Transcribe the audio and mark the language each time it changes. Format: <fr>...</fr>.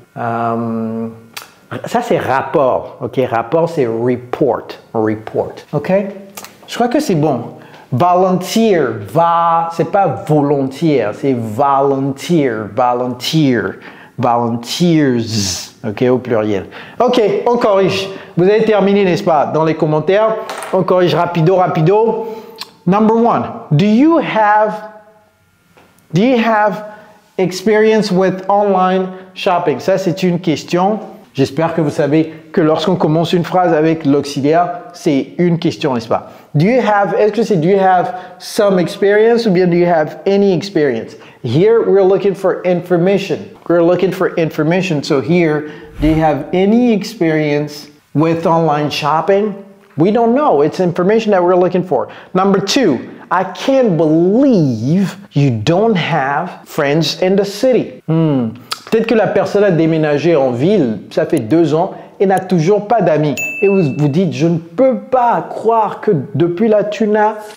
<fr>Ça c'est rapport. OK, rapport c'est report. Report. OK? Je crois que c'est bon. Volunteer, va, c'est pas volunteer, c'est volunteers, ok, au pluriel. Ok, on corrige. Vous avez terminé, n'est-ce pas, dans les commentaires. On corrige rapido.</fr> <en>Number one, do you have experience with online shopping?</en> <fr>Ça, c'est une question. J'espère que vous savez que lorsqu'on commence une phrase avec l'auxiliaire, c'est une question, n'est-ce pas?</fr> <en>Do you have some experience or do you have any experience? Here, we're looking for information. So here, do you have any experience with online shopping? We don't know. It's information that we're looking for. Number two, I can't believe you don't have friends in the city.</en> <fr>Peut-être que la personne a déménagé en ville, ça fait 2 ans, et n'a toujours pas d'amis. Et vous vous dites, je ne peux pas croire que depuis là, tu n'as...</fr>